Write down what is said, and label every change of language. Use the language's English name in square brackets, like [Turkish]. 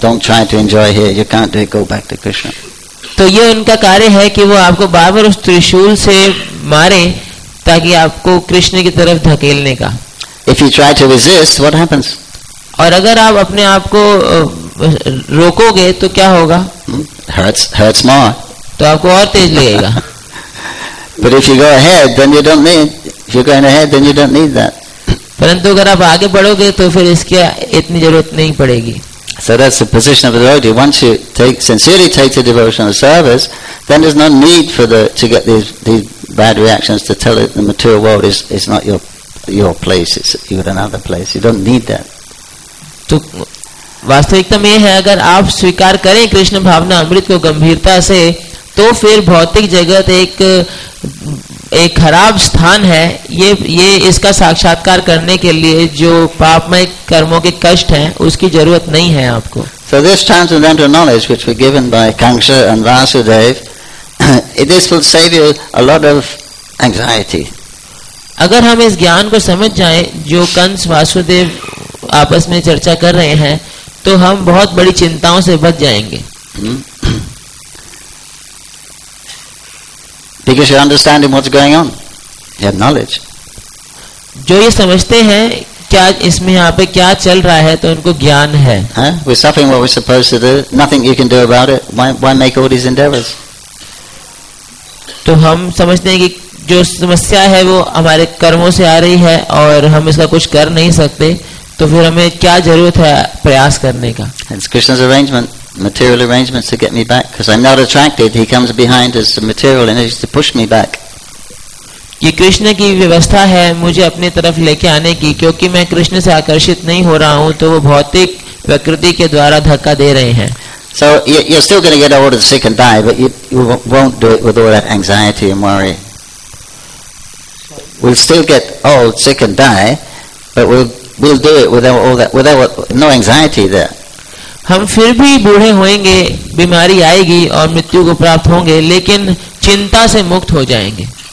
[Hindi] तो ये उनका कार्य है कि वो आपको बार बार उस त्रिशूल से मारे ताकि आपको कृष्ण की तरफ धकेलने का. [English] If you try to resist what happens. [Hindi] और अगर आप अपने आप को रोकोगे तो क्या होगा. [English] Hurts more. [Hindi] तो आपको और तेज लगेगा. [English] But if you go ahead, then you don't need. If you're going ahead, then you don't need that. [Hindi] परंतु अगर आप आगे बढ़ोगे तो फिर इसकी इतनी जरूरत नहीं पड़ेगी. [English] So that's the position of the devotee. Once you sincerely take the devotional service, then there's no need for to get these bad reactions to tell it the material world is not your place. It's you're in another place. You don't need that. [Hindi] तो वास्तविकता में है अगर आप स्वीकार करें कृष्ण भावना अमृत को गंभीरता से तो फिर भौतिक जगत एक खराब स्थान है. ये इसका साक्षात्कार करने के लिए जो पापमय कर्मों के कष्ट हैं उसकी जरूरत नहीं है आपको. [English] So this transcendental knowledge which was given by Kamsa and Vasudeva, this will save you a lot of anxiety. [Hindi] अगर हम इस ज्ञान को समझ जाएं जो कंस वासुदेव आपस में चर्चा कर रहे हैं तो हम बहुत बड़ी चिंताओं से बच जाएंगे. [English] Because you're understanding what's going on, you have knowledge. [Hindi] जो ये समझते हैं क्या इसमें यहाँ पे क्या चल रहा है तो उनको ज्ञान है. [English] We're suffering what we're supposed to do. Nothing you can do about it. Why make all these endeavors? [Hindi] तो हम समझते हैं कि जो समस्या है वो हमारे कर्मों से आ रही है और हम इसका कुछ कर नहीं सकते तो फिर हमें क्या जरूरत है प्रयास करने का. [English] It's Krishna's arrangement. Material arrangements to get me back because I'm not attracted. He comes behind as the material energy to push me back. [Hindi] ये कृष्ण की व्यवस्था है मुझे अपनी तरफ लेके आने की क्योंकि मैं कृष्ण से आकर्षित नहीं हो रहा हूँ तो वो भौतिक प्रकृति के द्वारा धक्का दे रहे हैं. [English] So you're still going to get old and sick and die, but you won't do it with all that anxiety and worry. We'll still get old, sick and die, but we'll do it without no anxiety there. [Hindi] हम फिर भी बूढ़े होंगे, बीमारी आएगी और मृत्यु को प्राप्त होंगे लेकिन चिंता से मुक्त हो जाएंगे.